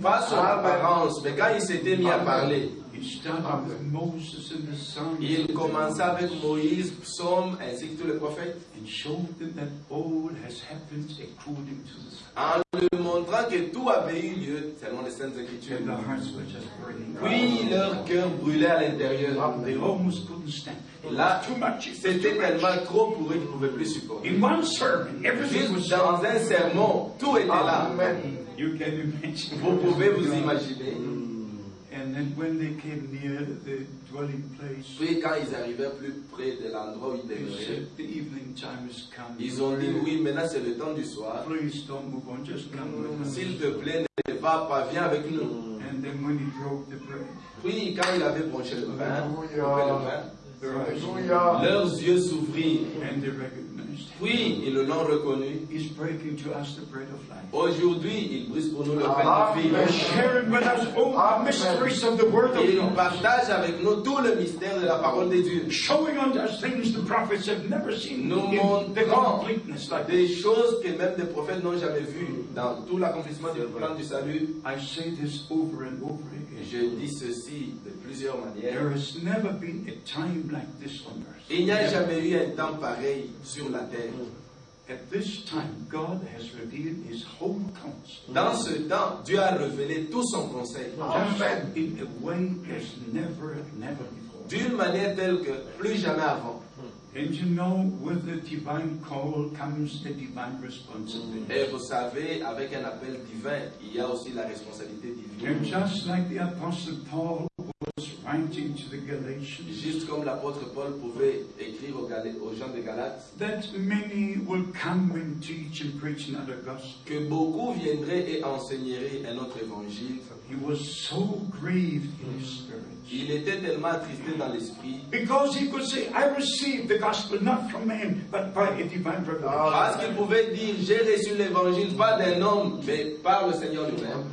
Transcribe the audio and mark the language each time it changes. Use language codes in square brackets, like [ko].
[fr] Pas son apparence, mais quand il s'était mis à parler. [en] He started with Moses and the Psalms. [fr] Il commença avec Moïse, Psaume, ainsi que tous les prophètes. [en] And showed them that all has happened according to the Scripture. [fr] En lui montrant que tout avait eu lieu selon les Saintes Écritures. [en] And their hearts were just burning. [fr] Puis leur cœur brûlait à l'intérieur. [en] They almost couldn't stand. [fr] Là, c'était tellement trop pour eux qu'ils ne pouvaient plus supporter. [en] In one sermon, everything was [fr] dans un sermon, tout était là. [en] You can imagine. [fr] Vous pouvez vous imaginer. [en] And then when they came near the dwelling place, [fr] puis quand ils arrivèrent plus près de l'endroit où ils demeuraient, [en] the evening time is coming. [fr] Ils ont dit oui, maintenant c'est le temps du soir. [en] Please don't move on, just come with us. [fr] S'il te plaît, ne va pas, viens avec nous. [en] And then when he broke the bread, [fr] puis quand il avait branché le vin, Alleluia. Leurs yeux s'ouvrirent. [en] And they recognized. recognized. [fr] Oui, ils le l'ont reconnu. [en] He's breaking to us the bread of life. [fr] Aujourd'hui, il brise pour nous le pain de vie. [en] He's sharing with us all the mysteries of the word of God. [fr] Il partage avec nous tout le mystère de la parole de Dieu. [en] Showing us things the prophets have never seen. [fr] Nous montrant des choses que même les prophètes n'ont jamais vues dans tout l'accomplissement du plan du salut. [en] I say this over and over again. [fr] Je dis ceci de plusieurs manières. [en] There has never been a time like this on earth. [fr] Il n'y a jamais eu un temps pareil sur la terre. [en] At this time, God has revealed His whole counsel. [fr] Dans ce temps, Dieu a révélé tout son conseil. [en] Amen. In a way as never before. [fr] D'une manière telle que plus jamais avant. [en] And you know, with the divine call comes the divine responsibility. [fr] Et vous savez, avec un appel divin, il y a aussi la responsabilité divine. [en] And just like the Apostle Paul. Writing to the Galatians. [fr] Just comme l'apôtre Paul pouvait écrire aux gens de Galates. [en] That many will come and teach and preach another gospel. [fr] Que beaucoup viendraient et enseigneraient un autre évangile. [en] He was so grieved in his spirit. [fr] Il était tellement attristé dans l'esprit. [en] Because he could say, I received the gospel not from man, but by a divine revelation. [fr] Parce qu'il pouvait dire, j'ai reçu l'évangile pas d'un homme, mais par le Seigneur lui-même.